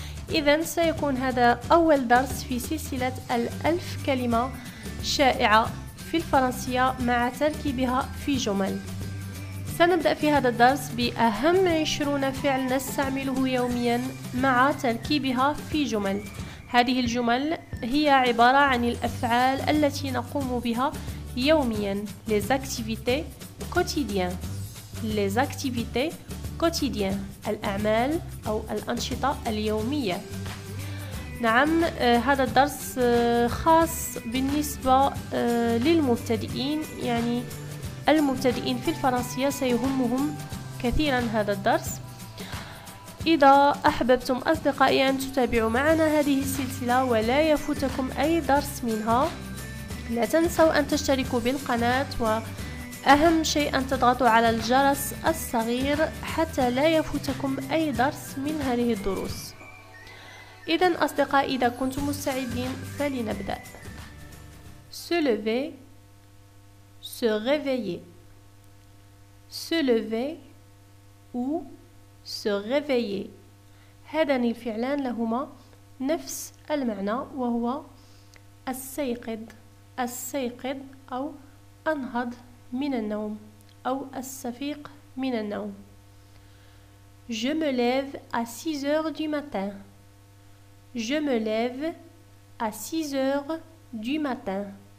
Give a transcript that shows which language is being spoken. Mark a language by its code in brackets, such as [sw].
[ar] إذن سيكون هذا أول درس في سلسلة الألف كلمة شائعة في الفرنسية مع تركيبها في جمل. سنبدأ في هذا الدرس بأهم 20 فعل نستعمله يوميا مع تركيبها في جمل. هذه الجمل هي عبارة عن الأفعال التي نقوم بها يوميا. [fr] Les activités quotidiennes. Les activités quotidiennes. [ar] الأعمال أو الأنشطة اليومية. نعم، هذا الدرس خاص بالنسبة للمبتدئين، يعني المبتدئين في الفرنسية سيهمهم كثيرا هذا الدرس. إذا أحببتم أصدقائي أن تتابعوا معنا هذه السلسلة ولا يفوتكم أي درس منها، لا تنسوا أن تشتركوا بالقناة، وأهم شيء أن تضغطوا على الجرس الصغير حتى لا يفوتكم أي درس من هذه الدروس. إذن أصدقائي، إذا كنتم مستعدين فلنبدأ. [fr] Se lever, se réveiller. Se lever ou se réveiller. [ar] هذان الفعلان لهما نفس المعنى وهو السيقظ. السيقظ أو أنهض من النوم أو السفيق من النوم. [fr] Je me lève à 6h du matin. Je me lève à 6h du matin.